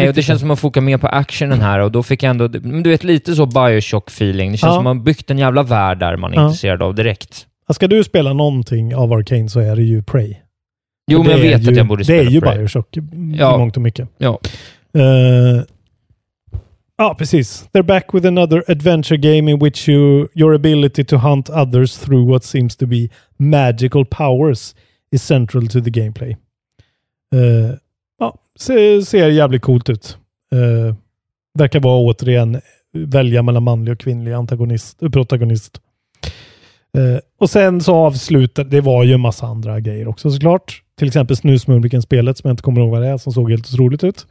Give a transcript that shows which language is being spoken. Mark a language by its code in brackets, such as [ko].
[sv] riktigt. Nej, det känns som att fokusera mer på actionen här. Och då fick jag ändå, men du vet, lite så Bioshock-feeling. Det känns ja. Som att man byggt en jävla värld där man är ja. Intresserad av direkt. Ska du spela någonting av Arkane så är det ju Prey. Jo, men jag vet ju, att jag borde spela det. Det är ju Bioshock ja. I mångt och mycket. Ja, precis. [en] They're back with another adventure game in which your ability to hunt others through what seems to be magical powers is central to the gameplay. [sv] Ser jävligt coolt ut. Verkar vara återigen välja mellan manlig och kvinnlig protagonist. Och sen så avslutar det var ju en massa andra grejer också såklart. Till exempel Snusmumriken spelet som jag inte kommer ihåg vad det är som såg helt otroligt ut.